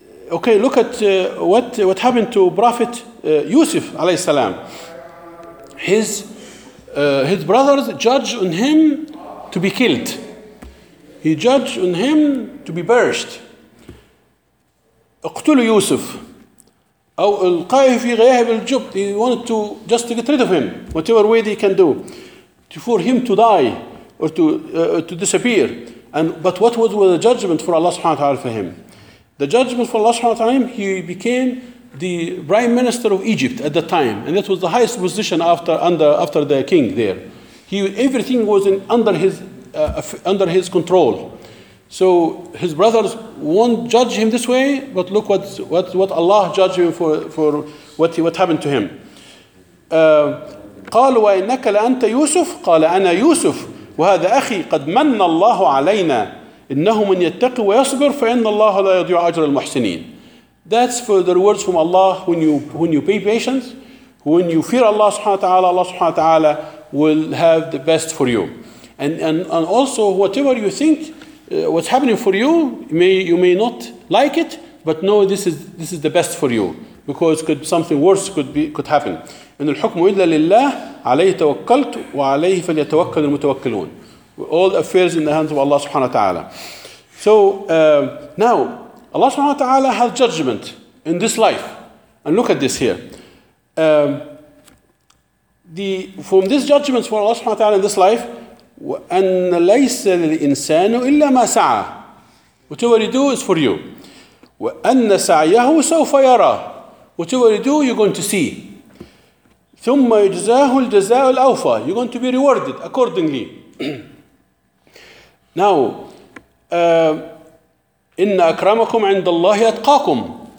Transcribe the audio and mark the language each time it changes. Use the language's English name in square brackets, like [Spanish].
[English] Look at what happened to Prophet Yusuf alayhi salam. His brothers judged on him to be killed. He judged on him to be perished. [Arabic] اقتلوا يوسف أو القاه في غياه بالجب. [English] He wanted to just to get rid of him, whatever way they can do, for him to die or to disappear. But what was the judgment for Allah subhanahu wa ta'ala for him? The judgment for Allah subhanahu wa ta'ala, he became the prime minister of Egypt at the time. And that was the highest position after the king there. Everything was under his control. So his brothers won't judge him this way, but look what Allah judged him for what happened to him. [Arabic] قَالُوا وَإِنَّكَ لَأَنْتَ يُوسُفُ قَالَ أَنَا يُوسُفُ وهذا أخي قد من الله علينا إنه من يتقي ويصبر فإن الله لا يضيع أجر المحسنين. [English] That's further words from Allah. When you pay patience, when you fear Allah subhanahu wa ta'ala, Allah subhanahu wa ta'ala will have the best for you. And also, whatever you think what's happening for you, you may not like it, but know this is the best for you, because something worse could happen. [Arabic] إن الحكم إلا لله عليه توكلت وعليه فليتوكل المتوكلون. [English] All affairs in the hands of Allah subhanahu wa ta'ala. So now Allah subhanahu wa ta'ala has judgment in this life. And look at this here. From this judgment for Allah subhanahu wa ta'ala in this life, [Arabic] أن ليس للإنسان إلا ما سعى. [English] Whatever you do is for you. [Arabic] وأن سعيه سوف يرى. [English] Whatever you do, you're going to see. [Arabic] ثم يجزاه الجزاء الأوفى. [English] You're going to be rewarded accordingly. Now, [Arabic] إن أكرمكم عند الله أتقاكم.